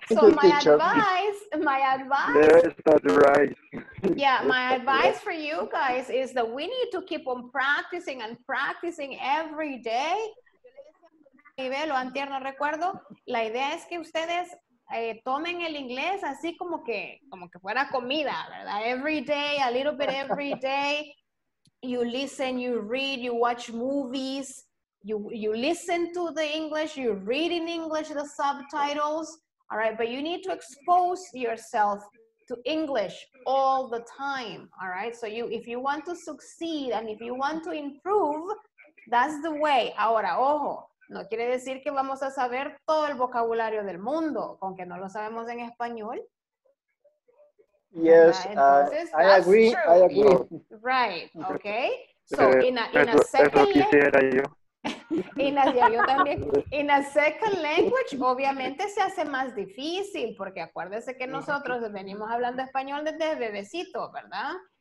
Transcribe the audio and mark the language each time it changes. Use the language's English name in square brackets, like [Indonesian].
[English] So my advice for you guys is that we need to keep on practicing and practicing every day. Lo antierno recuerdo. [Spanish] La idea es que ustedes tomen el inglés así como que fuera comida, ¿verdad? [English] Every day, a little bit every day. You listen, you read, you watch movies. You listen to the English, you read in English the subtitles, all right? But you need to expose yourself to English all the time, all right? So if you want to succeed and if you want to improve, that's the way. [Spanish] Ahora, ojo, no quiere decir que vamos a saber todo el vocabulario del mundo, con que no lo sabemos en español. [English] Yes, I agree. Right, okay? So in a second language, [Spanish] obviamente se hace más difícil, porque acuérdese que nosotros venimos hablando español desde bebecito, ¿verdad?